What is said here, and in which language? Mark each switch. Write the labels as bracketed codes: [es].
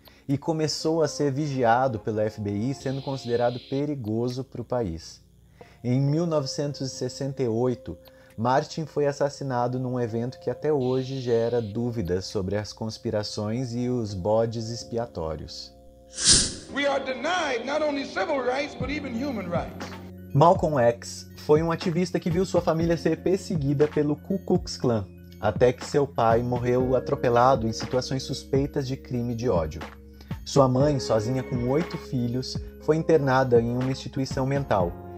[pt] E começou a ser vigiado pelo FBI, sendo considerado perigoso para o país. Em 1968, Martin foi assassinado num evento que até hoje gera dúvidas sobre as conspirações e os bodes expiatórios. [en] We are denied not only civil rights, but even human rights. [pt] Malcolm X foi um ativista que viu sua família ser perseguida pelo Ku Klux Klan, até que seu pai morreu atropelado em situações suspeitas de crime de ódio. Sua mãe, sozinha com 8 filhos, foi internada em uma instituição mental.